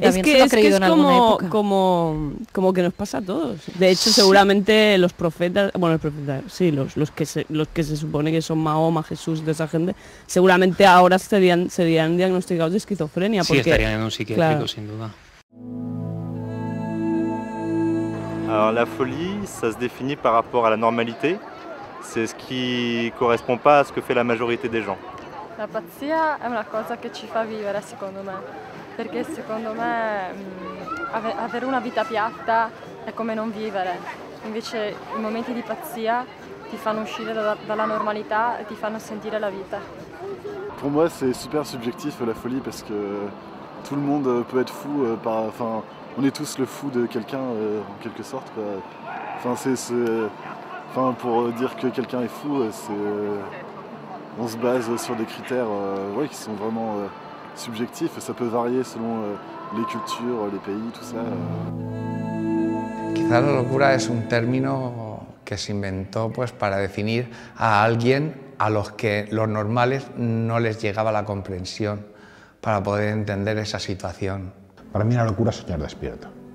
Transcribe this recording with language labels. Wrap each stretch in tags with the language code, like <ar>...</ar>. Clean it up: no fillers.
<es>También es que, se lo ha creído en alguna época. Como que nos pasa a todos. De hecho, sí. Seguramente los profetas, bueno, los que se supone que son Mahoma, Jesús, de esa gente, seguramente ahora serían diagnosticados de esquizofrenia. Porque, sí, estarían en un psiquiátrico, claro. Sin duda.</es> <fr>Alors, la folie, ça se définit par rapport à la normalité. C'est ce qui correspond pas à ce que fait la majorité des gens.</fr> <it>La pazzia è una cosa che ci fa vivere, secondo me. Perché secondo me avere una vita piatta è come non vivere. Invece i momenti di pazzia ti fanno uscire dalla normalità e ti fanno sentire la vita.</it> <fr>Pour moi c'est super subjectif la folie parce que tout le monde peut être fou par enfin on est tous le fou de quelqu'un en quelque sorte quoi. Enfin enfin pour dire que quelqu'un est fou c'est on se base sur des critères ouais, qui sont vraiment subjectifs. Ça peut varier selon les cultures, les pays, tout ça.</fr> <es>Quizá la locura es un término que se inventó pues, para definir a alguien a los que los normales no les llegaba la comprensión para poder entender esa situación. Para mí la locura es soñar despierto.</es>